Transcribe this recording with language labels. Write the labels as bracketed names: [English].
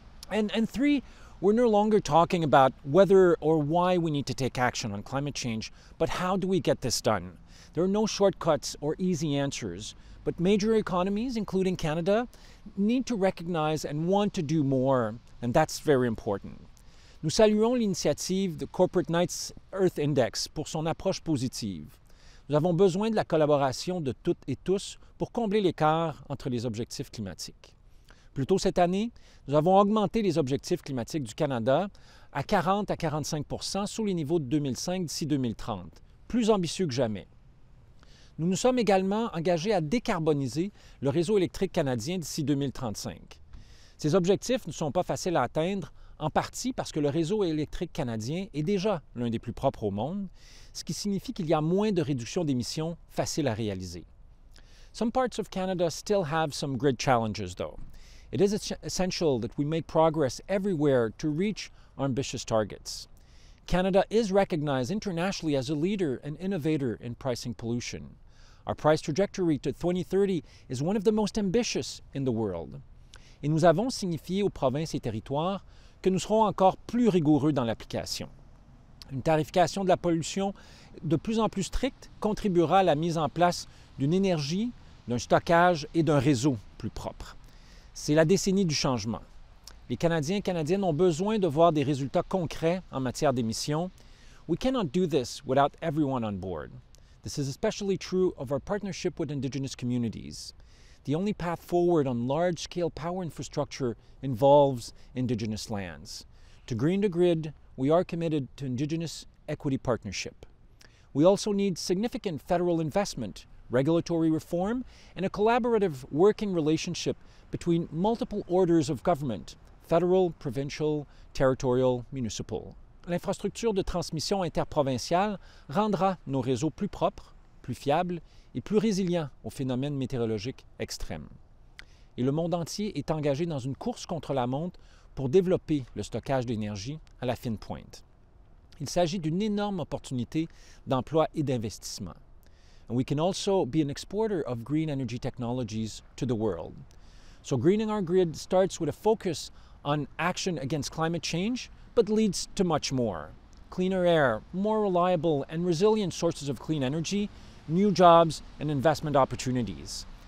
[English] And three, we're no longer talking about whether or why we need to take action on climate change, but how do we get this done? There are no shortcuts or easy answers, but major economies, including Canada, need to recognize and want to do more, and that's very important. [French] Nous saluons l'initiative de Corporate Knights Earth Index pour son approche positive. Nous avons besoin de la collaboration de toutes et tous pour combler l'écart entre les objectifs climatiques. Plus tôt cette année, nous avons augmenté les objectifs climatiques du Canada à 40 à 45 % sous les niveaux de 2005 d'ici 2030, plus ambitieux que jamais. Nous nous sommes également engagés à décarboniser le réseau électrique canadien d'ici 2035. Ces objectifs ne sont pas faciles à atteindre, en partie parce que le réseau électrique canadien est déjà l'un des plus propres au monde, ce qui signifie qu'il y a moins de réduction d'émissions faciles à réaliser. [English] Some parts of Canada still have some grid challenges, though. It is essential that we make progress everywhere to reach our ambitious targets. Canada is recognized internationally as a leader and innovator in pricing pollution. Our price trajectory to 2030 is one of the most ambitious in the world. [French] Et nous avons signifié aux provinces et territoires que nous serons encore plus rigoureux dans l'application. Une tarification de la pollution de plus en plus stricte contribuera à la mise en place d'une énergie, d'un stockage et d'un réseau plus propre. C'est la décennie du changement. Les Canadiens et Canadiennes ont besoin de voir des résultats concrets en matière d'émissions. [English] We cannot do this without everyone on board. This is especially true of our partnership with Indigenous communities. The only path forward on large-scale power infrastructure involves Indigenous lands. To green the grid, we are committed to Indigenous equity partnership. We also need significant federal investment, regulatory reform, and a collaborative working relationship between multiple orders of government, federal, provincial, territorial, municipal. [French] L'infrastructure de transmission interprovinciale rendra nos réseaux plus propres, plus fiables et plus résilients aux phénomènes météorologiques extrêmes. Et le monde entier est engagé dans une course contre la montre pour développer le stockage d'énergie à la fine pointe. Il s'agit d'une énorme opportunité d'emploi et d'investissement. [English] And we can also be an exporter of green energy technologies to the world. So greening our grid starts with a focus on action against climate change, but leads to much more. Cleaner air, more reliable and resilient sources of clean energy, new jobs and investment opportunities.